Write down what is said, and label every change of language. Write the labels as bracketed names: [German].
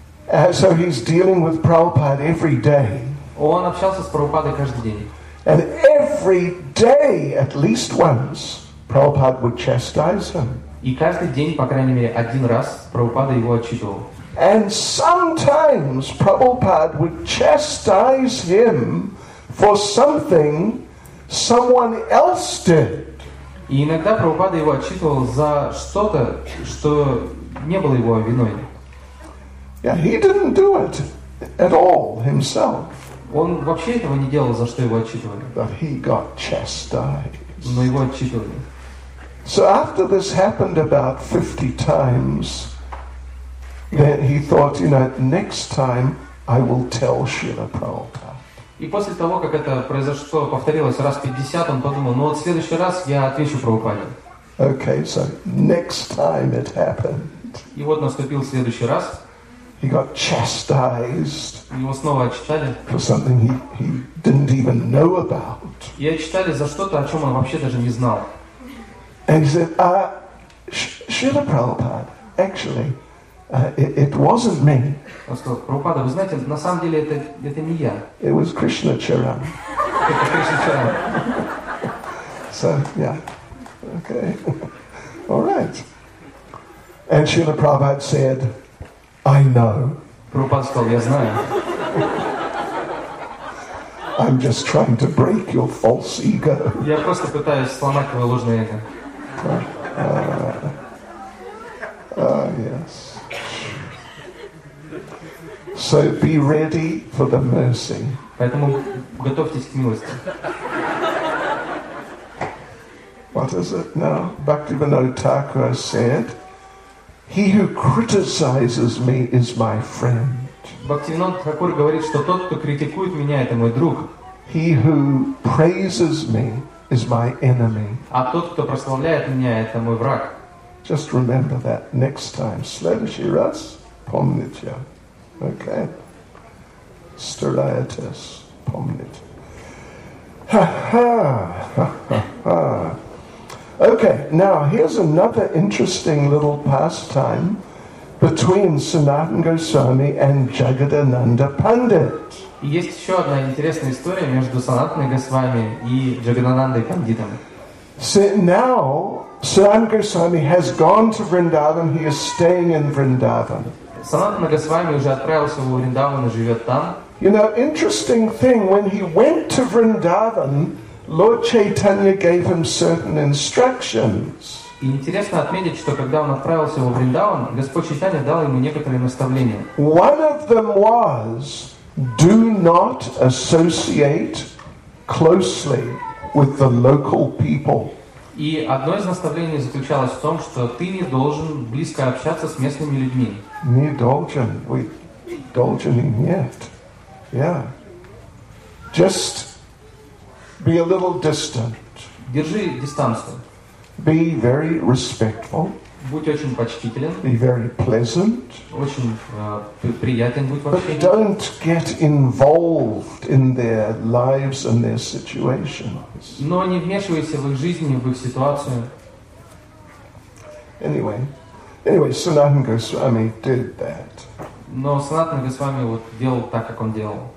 [English] And so he's dealing with Prabhupada every day. [Russian] Он общался с Прабхупадой каждый день. [English] And every day, at least once, Prabhupada would chastise him. [Russian] И каждый день, по крайней мере, один раз Прабхупада его отчитывал. [English] And sometimes Prabhupada would chastise him for something someone else did. [Russian] И иногда Прабхупада его отчитывал за что-то, что не было его виной. [English] Yeah, he didn't do it at all himself. [Russian] Он вообще этого не делал, за что его отчитывали. [English] But he got chastised. [Russian] Но его отчитывали. [English] So after this happened about 50 times, then he thought, you know, next time I will tell Srila Prabhupada. [Russian] И после того, как это произошло, повторилось раз 50, он подумал, ну вот в следующий раз я отвечу Прабхупаде. [English] Okay, so next time it happened. [Russian] И вот наступил следующий раз. [English] He got chastised. [Russian] Его снова отчитали. [English] For something he didn't even know about. [Russian] И отчитали за что-то, о чем он вообще даже не знал. [English] And he said, Srila Prabhupada, actually, it wasn't me. [Russian] Он сказал, Прабхупада, вы знаете, на самом деле это не я. [English] It was Krishna Charan. [Russian] Это Krishna Charan. [English] So, yeah. Okay. All right. And Srila Prabhupada said, I know. [Russian] Прабхупада сказал, я знаю. [English] I'm just trying to break your false ego. [Russian] Я просто пытаюсь сломать твое ложное эго. [English] Yes. So be ready for the mercy. [Russian] Поэтому готовьтесь к милости. [English] What is it now? Bhaktivinoda Thakura said, "He who criticizes me is my friend." [Russian] Бхактивинод Тхакур говорит, что тот, кто критикует меня, это мой друг. [English] He who praises me is my enemy. [Russian] А тот, кто прославляет меня, это мой враг. [English] Just remember that next time. [Russian] Следующий раз помните. [English] Okay. [Russian] Стараетесь помнить. Ha ha. [English] Okay, now here's another interesting little pastime between Sanatan Goswami and Jagadananda Pandit. [Russian] Есть еще одна интересная история между Санатаной Госвами и Джагаданандой Пандитом. [English] So now Sanatan Goswami has gone to Vrindavan, he is staying in Vrindavan. [Russian] Санатана Госвами уже отправился в Вриндаван и живет там. [English] You know, interesting thing, when he went to Vrindavan, Lord Chaitanya gave him certain instructions. [Russian] И интересно отметить, что когда он отправился во Вриндаван, Господь Чайтанья дал ему некоторые наставления. [English] One of them was, do not associate closely with the local people. [Russian] И одно из наставлений заключалось в том, что ты не должен близко общаться с местными людьми. Не должен, вы должны, нет. Yeah. [English] Just be a little distant. [Russian] Держи дистанцию. [English] Be very respectful. [Russian] Будь очень почтителен. [English] Be very pleasant. [Russian] Очень приятен будь в общении. [English] But don't get involved in their lives and their situations. [Russian] Но не вмешивайся в их жизни, в их ситуацию. [English] Anyway, Sanatan Goswami did that. [Russian] Но Санатана Госвами вот делал так, как он делал.